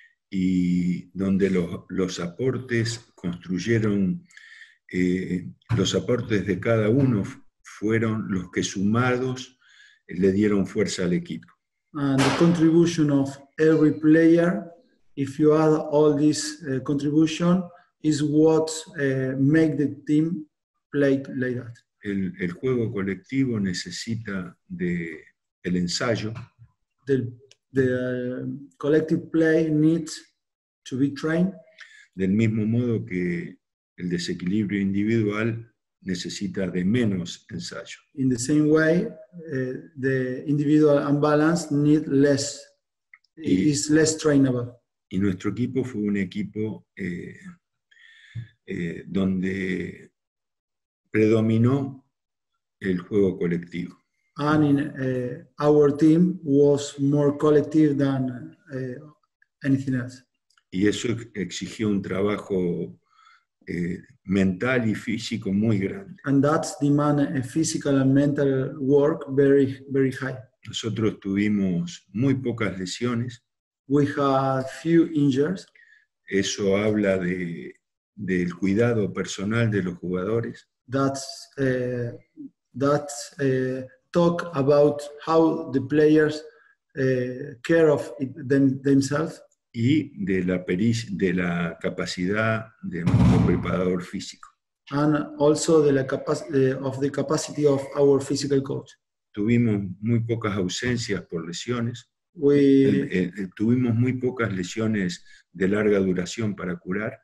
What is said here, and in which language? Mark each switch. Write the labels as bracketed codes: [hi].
[es] Y donde los aportes construyeron, los aportes de cada uno fueron los que sumados le dieron fuerza al equipo. [en] And the contribution of every player, if you add all this contribution, is what make the team play like that. [es] El juego colectivo necesita del ensayo. [en] The collective play needs to be trained. [es] Del mismo modo que el desequilibrio individual necesita de menos ensayo. [en] In the same way, the individual imbalance need less, is less trainable. [es] Y nuestro equipo fue un equipo donde predominó el juego colectivo. [en] And in our team was more collective than anything else. [es] Y eso exigió un trabajo mental y físico muy grande. [en] And that demand a physical and mental work very, very high. [es] Nosotros tuvimos muy pocas lesiones. [en] We had few injuries. [es] Eso habla del cuidado personal de los jugadores. [en] That talk about how the players care of themselves. [es] Y de la capacidad de nuestro preparador físico. [en] And also the capacity of our physical coach. [es] Tuvimos muy pocas ausencias por lesiones. Tuvimos muy pocas lesiones de larga duración para curar.